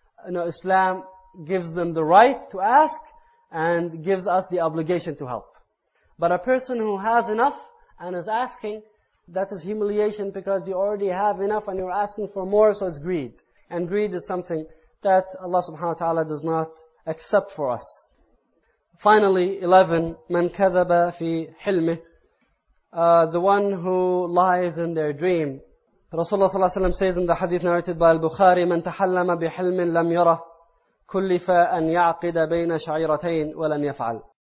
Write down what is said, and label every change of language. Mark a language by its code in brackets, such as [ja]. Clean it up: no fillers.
[en] You know, Islam gives them the right to ask and gives us the obligation to help. But a person who has enough and is asking, that is humiliation because you already have enough and you're asking for more, so it's greed. And greed is something that Allah subhanahu wa ta'ala does not accept for us. Finally, 11, [ar] مَنْ كَذَبَ فِي حِلْمِهِ. [en] The one who lies in their dream. Rasulullah صلى الله عليه وسلم says in the hadith narrated by al-Bukhari, [ar] مَنْ تَحَلَّمَ بِحِلْمٍ لَمْ يَرَى كُلِّفَ أَنْ يَعْقِدَ بَيْنَ شَعِيرَتَيْنِ وَلَنْ يَفْعَلْ.